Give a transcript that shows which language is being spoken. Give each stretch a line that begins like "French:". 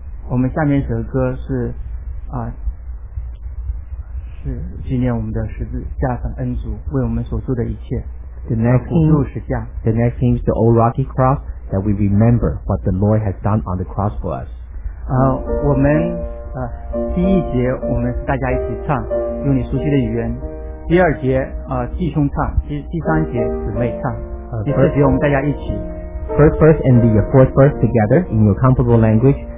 Chinese: 我们下面一首歌是是纪念我们的十字架上恩主为我们所做的一切。
English: The next hymn,
Chinese: 主十架。
English: The next hymn is the old rocky cross that we remember what the Lord has done on the cross for us.
Chinese: 我们第一节我们大家一起唱，用你熟悉的语言。第二节弟兄唱，第三节姊妹唱，第四节我们大家一起。
English: First verse and the fourth verse together in your comfortable language.